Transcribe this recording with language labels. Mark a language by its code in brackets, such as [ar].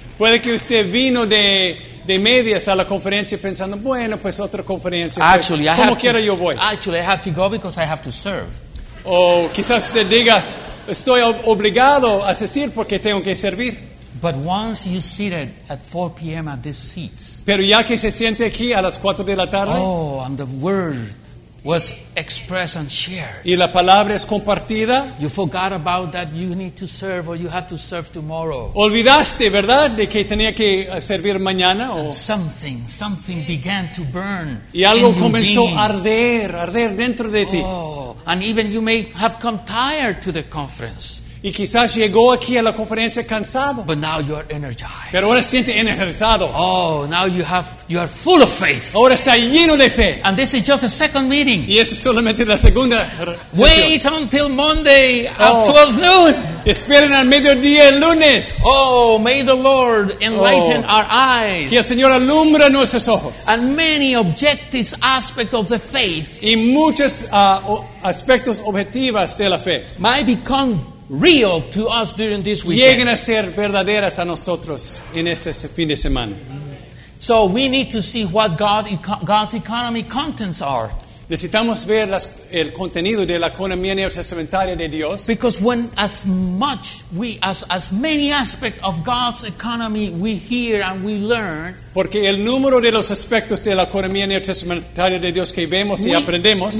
[es] Puede que usted vino de medias a la conferencia pensando, bueno, pues otra conferencia. [en] Actually, [es] pues, [en] I have [es] quiera, [en] to, [es] yo voy. [en] Actually, I have to go because I have to serve. [es] O quizás usted diga, estoy obligado a asistir porque tengo que servir. [en] But once you sit at 4 p.m. at these seats. [es] Pero ya que se siente aquí a las 4 de la tarde. [en] Oh, and the word was expressed and shared. [es] Y la palabra es compartida. [en] You forgot about that you need to serve or you have to serve tomorrow. [es] Olvidaste, ¿verdad? De que tenía que servir mañana. [en] And something began to burn. [es] Y algo comenzó a arder dentro de ti. [en] Oh, and even you may have come tired to the conference. [es] Y quizás llegó aquí a la conferencia cansado. [en] But now you are energized. [es] Pero ahora siente energizado. [en] Oh, now you are full of faith. [es] Ahora está lleno de fe. [en] And this is just the second meeting. [es] Y es solamente la segunda sesión. [en] Wait until Monday at 12 noon. [es] Esperen al mediodía el lunes. [en] Oh, may the Lord enlighten our eyes. [es] Que el Señor alumbre nuestros ojos. [en] And many objective aspects of the faith. [es] Y muchos aspectos objetivos de la fe. [en] May become real to us during this weekend. [es] Lleguen a ser verdaderas a nosotros en este fin de semana. [en] So we need to see what God's economy contents are. [es] Necesitamos ver el contenido de la economía neotestamentaria de Dios. [en] Because when as many aspects of God's economy we hear and we learn. [es] Porque el número de los aspectos de la economía neotestamentaria de Dios que vemos y aprendemos.